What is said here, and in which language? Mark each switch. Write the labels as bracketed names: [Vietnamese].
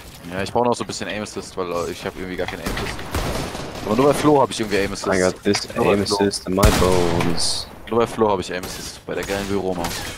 [German] Ja, ich brauche noch so ein bisschen Aim Assist, weil ich habe irgendwie gar keinen Aim Assist. Aber nur bei Flo habe ich irgendwie Aim Assist. [English] I got this Aim Assist in my bones. [German] Nur bei Flo habe ich Aim Assist, bei der geilen Büromaus.